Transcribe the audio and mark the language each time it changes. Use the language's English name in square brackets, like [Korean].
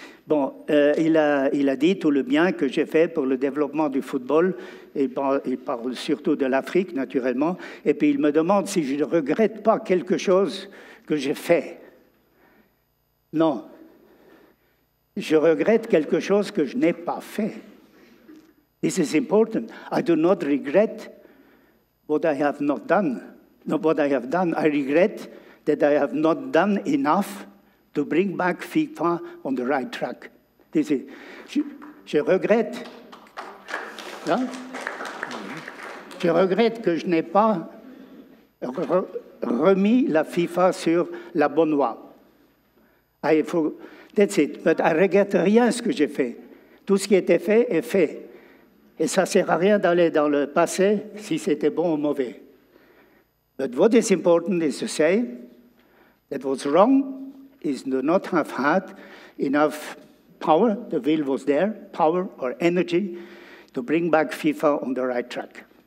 [French] Bon, il a dit tout le bien que j'ai fait pour le développement du football. Il parle surtout de l'Afrique, naturellement. Et puis, il me demande si je ne regrette pas quelque chose que j'ai fait. Non. Je regrette quelque chose que je n'ai pas fait. [English] This is important. I do not regret what I have not done. Not what I have done. I regret that I have not done enough to bring back FIFA on the right track. This is, [French] je regrette. [English] Yeah? [French] Je regrette que je n'ai pas remis la FIFA sur la bonne voie. [English] That's it. But I regret [French] rien ce que j'ai fait. Tout ce qui était fait est fait. Et ça sert à rien d'aller dans le passé si c'était bon ou mauvais. [English] But what is important is to say that what's wrong is to not have had enough power, the will was there, power or energy, to bring back FIFA on the right track.